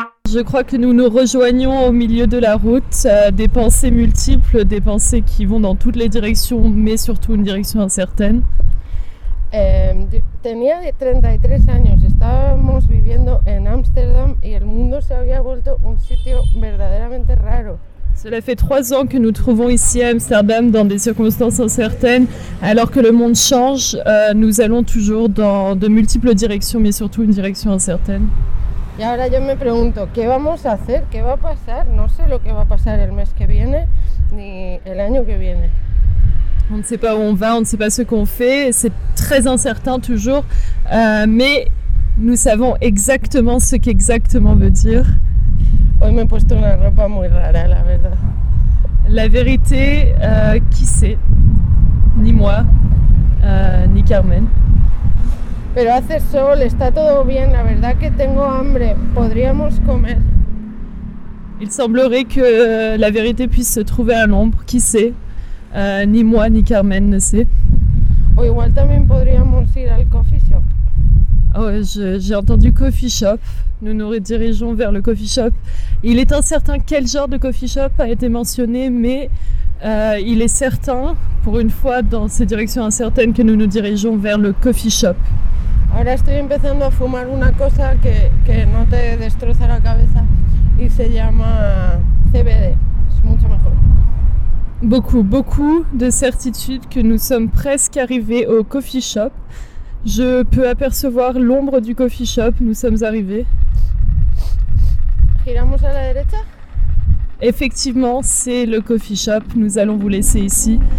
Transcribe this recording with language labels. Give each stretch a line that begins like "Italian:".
French: Je crois que nous nous rejoignons au milieu de la route, des pensées multiples, des pensées qui vont dans toutes les directions, mais surtout une direction incertaine.
Spanish: Tenía 33 años. Estábamos viviendo en Amsterdam y el mundo se había vuelto un sitio verdaderamente raro.
French: Cela fait 3 ans que nous trouvons ici à Amsterdam dans des circonstances incertaines. Alors que le monde change, nous allons toujours dans de multiples directions, mais surtout une direction incertaine.
Spanish: Y ahora yo me pregunto, ¿qué vamos a hacer? ¿Qué va a pasar? No sé lo que va a pasar el mes que viene ni el año que viene.
French: On ne sait pas où on va, on ne sait pas ce qu'on fait. C'est très incertain toujours. mais nous savons exactement ce qu'exactement veut dire.
Spanish: Hoy me he puesto una ropa muy rara, la verdad.
French: La vérité, qui sait? Ni moi, ni Carmen.
Spanish: Pero hace sol, está todo bien, la verdad que tengo hambre, podríamos comer.
French: Il semblerait que la vérité puisse se trouver à l'ombre, qui sait? Ni moi, ni Carmen ne sait.
Spanish: O igual también podríamos ir al coffee shop.
French: Oh, j'ai entendu coffee shop. Nous nous redirigeons vers le coffee shop. Il est incertain quel genre de coffee shop a été mentionné, mais il est certain, pour une fois dans ces directions incertaines, que nous nous dirigeons vers le coffee shop.
Spanish: Ahora estoy empezando a fumar una cosa que no te destroza la cabeza y se llama CBD. Es mucho mejor.
French: Beaucoup, beaucoup de certitudes que nous sommes presque arrivés au coffee shop. Je peux apercevoir l'ombre du coffee shop, nous sommes arrivés.
Spanish: Giramos a la derecha?
French: Effectivement, c'est le coffee shop, nous allons vous laisser ici.